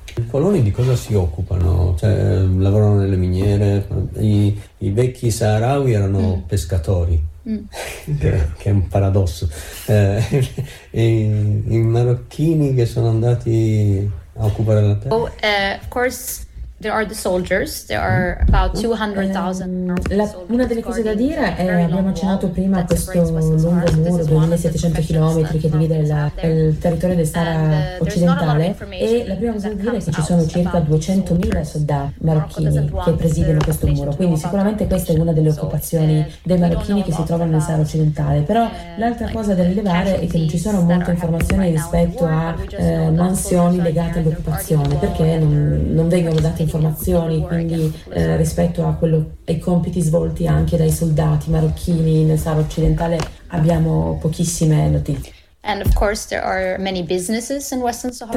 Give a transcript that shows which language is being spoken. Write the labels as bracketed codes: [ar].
[it] I coloni di cosa si occupano? Cioè, lavorano nelle miniere? I vecchi sahrawi erano pescatori. Che è un paradosso. I marocchini che sono andati a occupare la terra. [en] Of course there are the soldiers, there are about 200,000 soldiers. [it] Una delle cose da dire è, abbiamo accennato prima a questo lungo muro, 2700 km, che divide il territorio del Sahara occidentale, e la prima cosa da dire è che ci sono circa 200.000 soldati marocchini che presidiano questo muro, quindi sicuramente questa è una delle occupazioni dei marocchini che si trovano nel Sahara occidentale. Però l'altra cosa da rilevare è che non ci sono molte informazioni rispetto a mansioni legate all'occupazione, perché non vengono date informazioni, quindi rispetto a quello, ai compiti svolti anche dai soldati marocchini nel Sahara occidentale, abbiamo pochissime notizie. [en] And of course there are many businesses in Western Sahara.